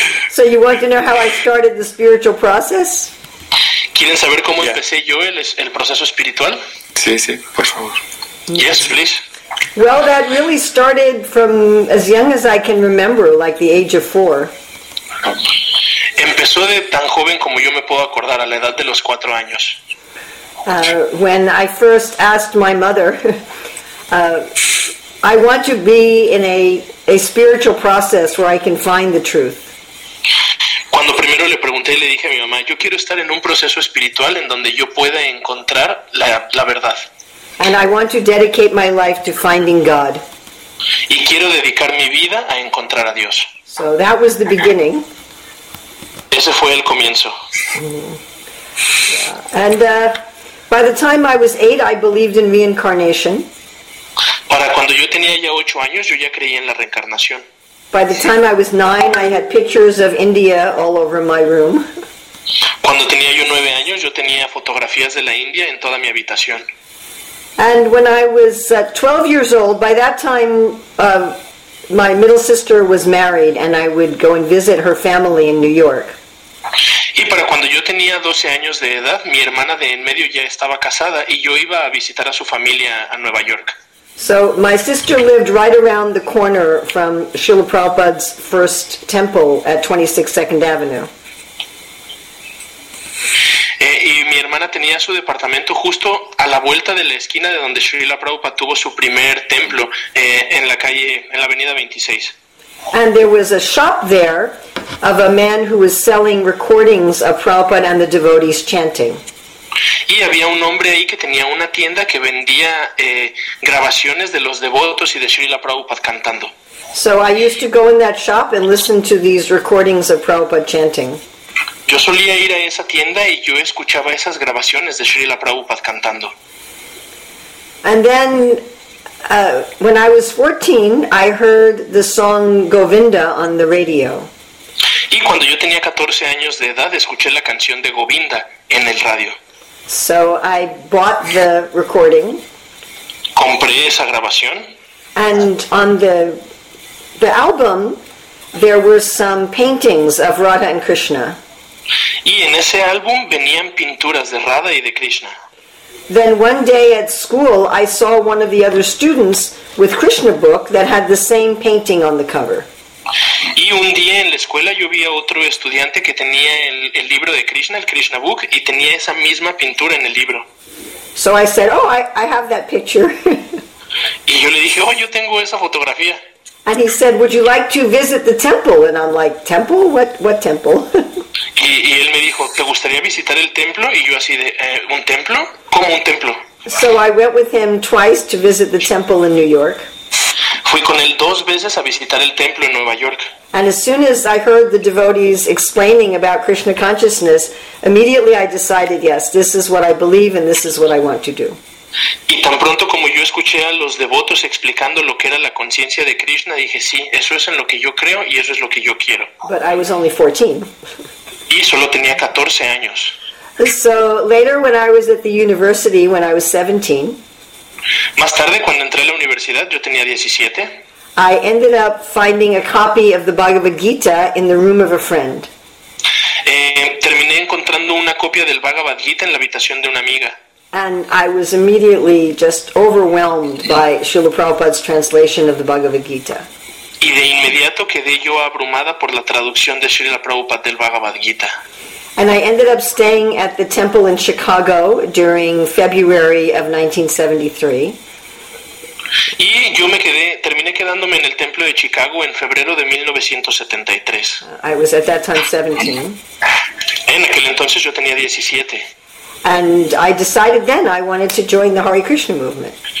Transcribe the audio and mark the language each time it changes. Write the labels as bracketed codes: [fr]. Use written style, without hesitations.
[en] So you want to know how I started the spiritual process? [es] ¿Quieren saber cómo empecé yo el proceso espiritual? Sí, sí, por favor. [en] Yes, please. Well, that really started from as young as I can remember, like the age of 4. [es] Empezó de tan joven como yo me puedo acordar, a la edad de los 4 años. [en] When I first asked my mother, I want to be in a spiritual process where I can find the truth. [es] Cuando primero le pregunté y le dije a mi mamá, yo quiero estar en un proceso espiritual en donde yo pueda encontrar la verdad. [en] And I want to dedicate my life to finding God. [es] Y quiero dedicar mi vida a encontrar a Dios. [en] So that was the beginning. [es] Ese fue el comienzo. [en] Yeah. And by the time I was 8, I believed in reincarnation. [es] Para cuando yo tenía tenía ya 8 años, yo ya creía en la reencarnación. [en] By the time I was 9, I had pictures of India all over my room. [es] Cuando tenía yo 9 años, yo tenía fotografías de la India en toda mi habitación. [en] And when I was 12 years old, by that time my middle sister was married and I would go and visit her family in New York. [es] Y para cuando yo tenía 12 años de edad, mi hermana de en medio ya estaba casada y yo iba a visitar a su familia a Nueva York. [en] So my sister lived right around the corner from Srila Prabhupada's first temple at 26 Second Avenue. [es] Y mi hermana tenía su departamento justo a la vuelta de la esquina de donde Srila Prabhupada tuvo su primer templo, en la calle, en la avenida 26. [en] And there was a shop there of a man who was selling recordings of Prabhupada and the devotees chanting. [es] Y había un hombre ahí que tenía una tienda que vendía grabaciones de los devotos y de Srila Prabhupada cantando. [en] So I used to go in that shop and listen to these recordings of Prabhupada chanting. [es] Yo solía ir a esa tienda y yo escuchaba esas grabaciones de Srila Prabhupada cantando. [en] And then when I was 14, I heard the song Govinda on the radio. [es] Y cuando yo tenía 14 años de edad, escuché la canción de Govinda en el radio. [en] So I bought the recording. [es] Compré esa grabación. [en] And on the album there were some paintings of Radha and Krishna. [es] Y en ese álbum venían pinturas de Radha y de Krishna. [en] Then one day at school I saw one of the other students with Krishna book that had the same painting on the cover. [es] Y un día en la escuela yo vi a otro estudiante que tenía el libro de Krishna, el Krishna book, y tenía esa misma pintura en el libro. [en] So I said, "Oh, I have that picture." [es] Y yo le dije, "Oh, yo tengo esa fotografía." [en] And he said, "Would you like to visit the temple?" And I'm like, "Temple? What temple?" [es] Y él me dijo, "¿Te gustaría visitar el templo?" Y yo así de, "¿Un templo? ¿Cómo un templo?" [en] So I went with him twice to visit the temple in New York. [es] Fui con él 2 veces a visitar el templo en Nueva York. [en] And as soon as I heard the devotees explaining about Krishna consciousness, immediately I decided, yes, this is what I believe and this is what I want to do. [es] Y tan pronto como yo escuché a los devotos explicando lo que era la conciencia de Krishna, dije, sí, eso es en lo que yo creo y eso es lo que yo quiero. [en] But I was only 14. [es] Y solo tenía 14 años. [en] So later when I was at the university, when I was 17, [es] más tarde, cuando entré a la universidad, yo tenía 17. [en] I ended up finding a copy of the Bhagavad Gita in the room of a friend. [es] Terminé encontrando una copia del Bhagavad Gita en la habitación de una amiga. [en] And I was immediately just overwhelmed by Srila Prabhupada's translation of the Bhagavad Gita. [es] Y de inmediato quedé yo abrumada por la traducción de Srila Prabhupada del Bhagavad Gita. [en] And I ended up staying at the temple in Chicago during February of 1973. [es] Y yo terminé quedándome en el templo de Chicago en febrero de 1973. [en] I was at that time 17. [es] En aquel entonces yo tenía 17. [en] And I decided then I wanted to join the Hare Krishna movement.